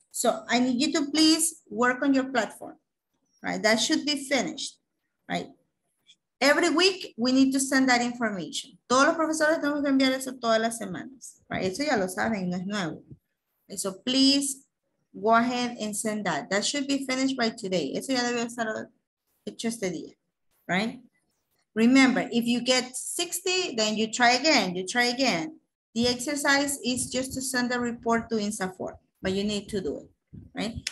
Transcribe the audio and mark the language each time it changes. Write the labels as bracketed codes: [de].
[en] So I need you to please work on your platform, right? That should be finished, right? Every week we need to send that information. [es] Todos los profesores tenemos que enviar eso todas las semanas, right? Eso ya lo saben, no es nuevo. [en] So please go ahead and send that. That should be finished by today. [es] Eso ya debe estar hecho este día, right? [en] Remember, if you get 60, then you try again, you try again. The exercise is just to send a report to INSAFORP, but you need to do it, right?